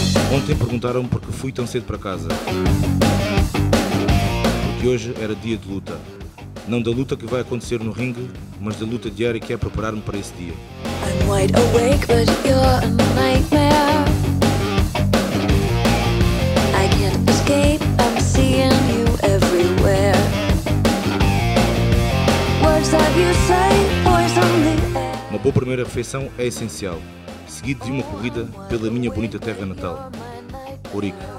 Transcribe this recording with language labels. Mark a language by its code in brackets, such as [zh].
[pt] Ontem perguntaram-me porque fui tão cedo para casa. Porque hoje era dia de luta. Não da luta que vai acontecer no ringue, mas da luta diária que é preparar-me para esse dia. [en] I'm wide awake, but you're a nightmare. I can't escape, I'm seeing you everywhere. Words that you say, poison the air. [pt] Uma boa primeira refeição é essencial, seguido de uma corrida pela minha bonita terra natal, Ourique.